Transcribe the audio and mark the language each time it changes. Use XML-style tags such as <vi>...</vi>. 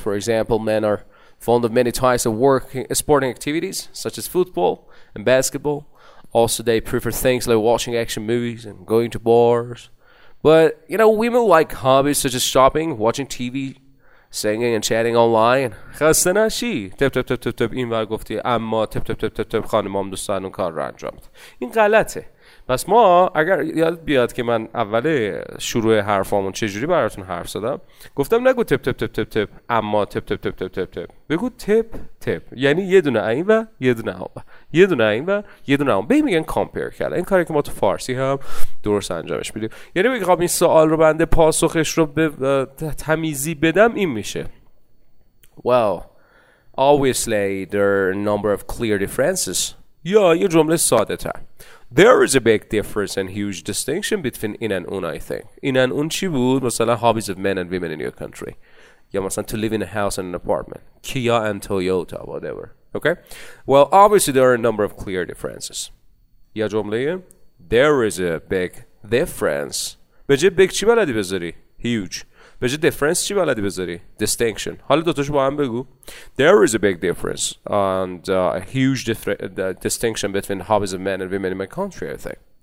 <en>For example, men are fond of many types of working, sporting activities such as football and basketball. Also, they prefer things like watching action movies and going to bars. But, you know, women like hobbies such as shopping, watching TV, singing and chatting online.</en> <fa>خسته نشی. تپ تپ تپ تپ تپ این ور گفتی اما تپ تپ تپ تپ تپ خانمام دوستان اون کار رو انجام بده. این غلطه. پس ما اگر یاد بیاد که من اول شروع حرفامون چجوری براتون حرف زدم، گفتم نگو تپ تپ تپ تپ تپ اما تپ تپ تپ تپ تپ تپ، بگو تپ تپ، یعنی یه دونه این و یه دونه اون، یه دونه این و یه دونه اون. ببین میگن کامپیر کردن، این کاری که ما تو فارسی هم درست انجامش میدیم، یعنی میگم خب این سوال رو بنده پاسخش رو به تمیزی بدم این میشه.</fa> <en>Well, obviously there are a number of clear differences.</en> <fa>یا یه جمله ساده تر.</fa> <en>There is a big difference and huge distinction between in and un, I think. In and un</en> <fa>چی بود؟ مثلا</fa> <en>hobbies of men and women in your country.</en> <fa>یا مثلا</fa> <en>to live in a house and an apartment. Kia and Toyota, whatever. Okay? Well, obviously there are a number of clear differences.</en> <fa>یا جمله یه؟</fa> <en>There is a big difference.</en> <fa>به جه big چی بلدی بذاری؟ Huge. به جه difference چی بلدی بذاری؟ Distinction. حالا دوتاش با هم بگو.</fa> <en>There is a big difference and a huge distinction between hobbies of men and women in my country, I think.</en>